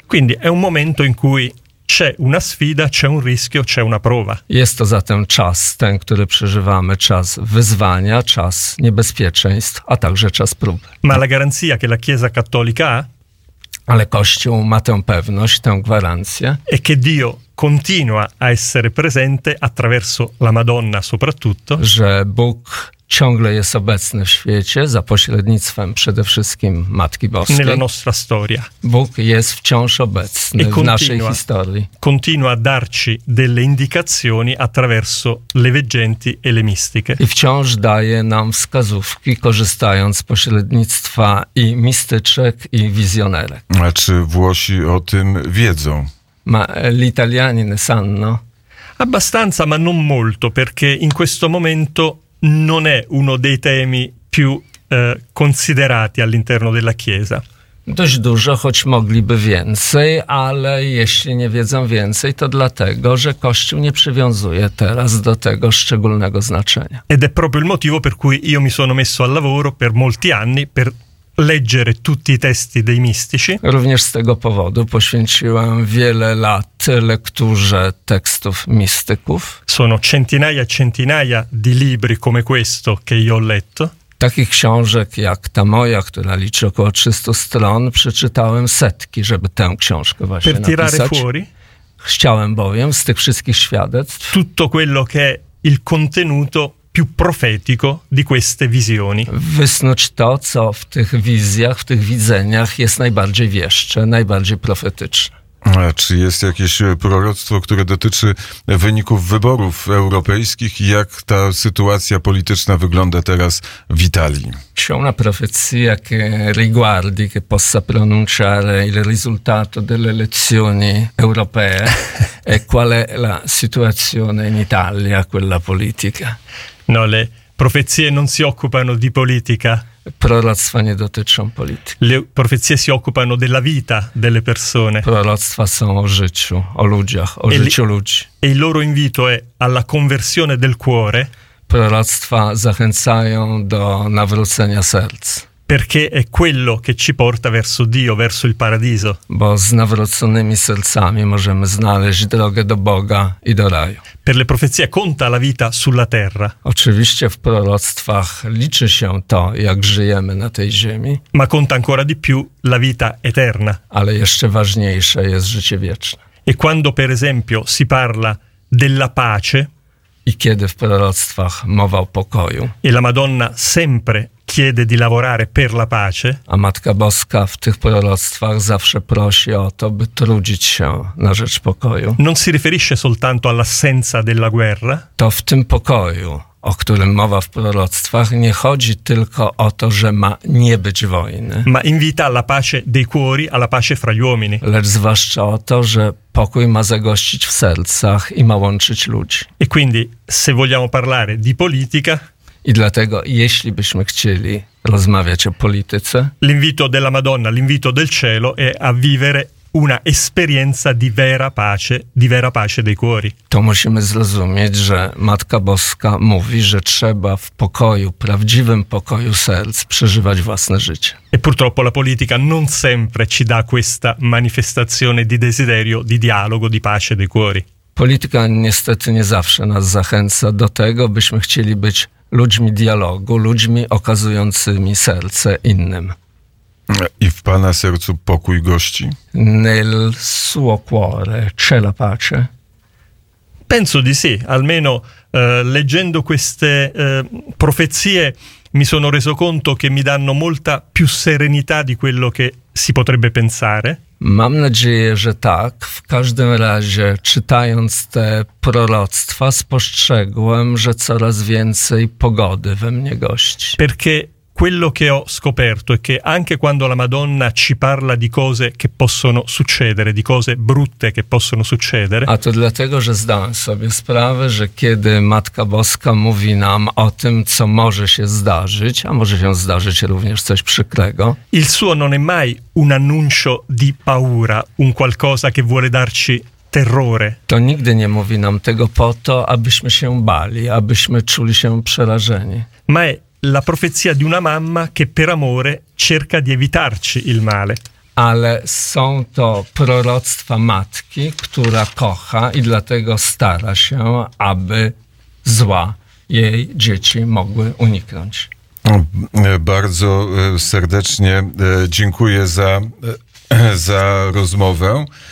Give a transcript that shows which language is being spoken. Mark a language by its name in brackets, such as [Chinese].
[Italian] Quindi è un momento in cui c'è una sfida, c'è un rischio, c'è una prova. [Polish] Jest to zatem czas, ten, który przeżywamy, czas wyzwania, czas niebezpieczeństw, a także czas prób. [Italian] Ma la garanzia che la Chiesa cattolica ha? [Polish] Ale Kościół ma tę pewność, tę gwarancję. [Italian] E che Dio continua a essere presente attraverso la Madonna soprattutto. [Polish] Że Bóg ciągle jest obecny w świecie za pośrednictwem przede wszystkim Matki Boskiej. [Italian] Nella nostra storia. [Polish] Bóg jest wciąż obecny w naszej historii. [Italian] Continua a darci delle indicazioni attraverso le veggenti e le mistiche. [Polish] I wciąż daje nam wskazówki, korzystając z pośrednictwa i mistyczek, i wizjonerek. A czy Włosi o tym wiedzą? [Italian] Ma gli italiani ne sanno? Abbastanza, ma non molto, perché in questo momento non è uno dei temi più considerati all'interno della Chiesa. [Polish] Dość dużo, choć mogliby więcej, ale jeśli nie wiedzą więcej, to dlatego, że Kościół nie przywiązuje teraz do tego szczególnego znaczenia. [Italian] Ed è proprio il motivo per cui io mi sono messo al lavoro per molti anni per leggere tutti i testi dei mistici. [Polish] Również z tego powodu poświęciłem wiele lat lekturze tekstów mistyków. [Italian] Sono centinaia e centinaia di libri come questo che io ho letto. [Polish] Takich książek jak ta moja, która liczy około 300 stron, przeczytałem setki, żeby tę książkę właśnie napisać. [Italian] Per tirare fuori. [Polish] Chciałem bowiem z tych wszystkich świadectw [Italian] tutto quello che è il contenuto più profetico di queste visioni. [Polish] Wysnuć to, co w tych wizjach, w tych widzeniach jest najbardziej wieszcze, najbardziej profetyczne. A czy jest jakieś proroctwo, które dotyczy wyników wyborów europejskich i jak ta sytuacja polityczna wygląda teraz w Italii? [Italian] C'è una profezia che riguardi, che possa pronunciare il risultato delle elezioni europee e qual è la situazione in Italia, quella politica? No, le profezie non si occupano di politica. [Polish] Proroctwa nie dotyczą polityki. [Italian] Le profezie si occupano della vita delle persone. [Polish] Proroctwa są o życiu, o ludziach, o życiu ludzi. [Italian] E il loro invito è alla conversione del cuore. [Polish] Proroctwa zachęcają do nawrócenia serc. [Italian] Perché è quello che ci porta verso Dio, verso il paradiso. [Polish] Bo z nawróconymi sercami możemy znaleźć drogę do Boga i do raju. [Italian] Per le profezie conta la vita sulla terra. [Polish] Oczywiście w proroctwach liczy się to, jak żyjemy na tej ziemi. [Italian] Ma conta ancora di più la vita eterna. [Polish] Ale jeszcze ważniejsze jest życie wieczne. [Italian] E quando per esempio si parla della pace. [Polish] I kiedy w proroctwach mowa o pokoju. [Italian] E la Madonna sempre chiede di lavorare per la pace. [Polish] A Matka Boska w tych proroctwach zawsze prosi o to, by trudzić się na rzecz pokoju. [Italian] Non si riferisce soltanto all'assenza della guerra. [Polish] To w tym pokoju, o którym mowa w proroctwach, nie chodzi tylko o to, że ma nie być wojny. [Italian] Ma invita alla pace dei cuori, alla pace fra gli uomini. [Polish] Lecz zwłaszcza o to, że pokój ma zagościć w sercach i ma łączyć ludzi. [Italian] E quindi, se vogliamo parlare di politica. [Polish] I dlatego, jeśli byśmy chcieli rozmawiać o polityce. [Italian] L'invito della Madonna, l'invito del cielo è a vivere una esperienza di vera pace dei cuori. [Polish] To musimy zrozumieć, że Matka Boska mówi, że trzeba w pokoju, prawdziwym pokoju serc przeżywać własne życie. [Italian] E purtroppo la politica non sempre ci dà questa manifestazione di desiderio, di dialogo, di pace dei cuori. [Polish] Polityka niestety nie zawsze nas zachęca do tego, byśmy chcieli być ludźmi dialogu, ludźmi okazującymi serce innym. I w Pana sercu pokój gości? [Italian] Nel suo cuore c'è la pace? Penso di sì, almeno leggendo queste profezie mi sono reso conto che mi danno molta più serenità di quello che si potrebbe pensare. [Polish] Mam nadzieję, że tak. W każdym razie, czytając te proroctwa, spostrzegłem, że coraz więcej pogody we mnie gości. [Italian] Perché quello che ho scoperto è che anche quando la Madonna ci parla di cose che possono succedere, di cose brutte che possono succedere. [Polish] A to dlatego, że zdałem sobie sprawę, że kiedy Matka Boska mówi nam o tym, co może się zdarzyć, a może się zdarzyć również coś przykrego. [Italian] Il suo non è mai un annuncio di paura, un qualcosa che vuole darci terrore. [Polish] To nigdy nie mówi nam tego po to, abyśmy się bali, abyśmy czuli się przerażeni. [Italian] Ma è la profezia di una mamma che per amore cerca di evitarci il male. [Polish] Ale są to proroctwa matki, która kocha i dlatego stara się, aby zła jej dzieci mogły uniknąć. Bardzo serdecznie dziękuję za rozmowę.